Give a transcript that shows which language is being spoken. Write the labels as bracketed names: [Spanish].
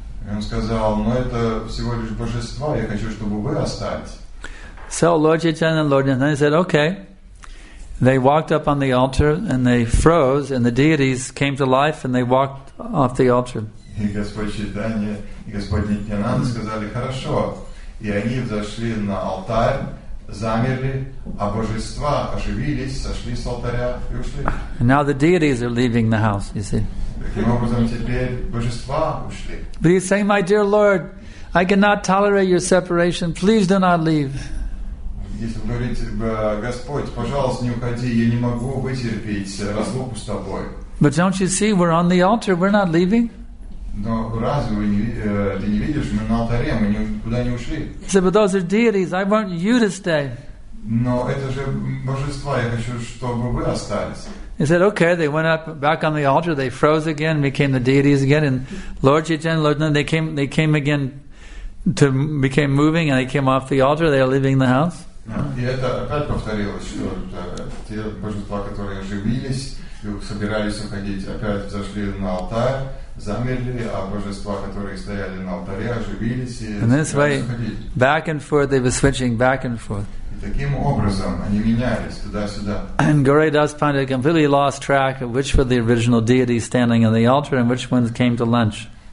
[Russian] И он сказал, но это всего лишь божества, я хочу, чтобы вы остались. [English] So Lord Chaitanya and Lord Nityananda said, "Okay." They walked up on the altar and they froze, and the deities came to life and they walked off the altar. [Russian] И Господь Чайтанья и Господь Нитьянанда сказали, хорошо. И они взошли на алтарь, замерли, а божества оживились, сошли с алтаря и ушли. [English] And now the deities are leaving the house, you see. [Russian] Таким образом, теперь божества ушли. [English] But he's saying, "My dear Lord, I cannot tolerate your separation. Please do not leave." [Russian] Если говорить, Господь, пожалуйста, не уходи, я не могу вытерпеть разлуку с тобой. [English] But don't you see, we're on the altar, we're not leaving. [Russian] Но разве вы не, ты не видишь, мы на алтаре, мы никуда не ушли. [English] He said, "But those are deities, I want you to stay." [Russian] Но это же божества, я хочу, чтобы вы остались. [English] He said, "Okay." They went up back on the altar. They froze again, became the deities again. And Lord Chaitanya, Lord Nanda, they came again to became moving, and they came off the altar. They are leaving the house. [Russian] И это опять повторилось, что те божества, которые оживились и собирались уходить, опять зашли на алтарь, замерли, а божества, которые стояли на алтаре, оживились и [English] And this way, back and forth, they were switching back and forth. [Russian] Таким образом они менялись туда-сюда. [English] And Goridas Pandit completely lost track of which were the original deities standing on the altar and which ones came to lunch.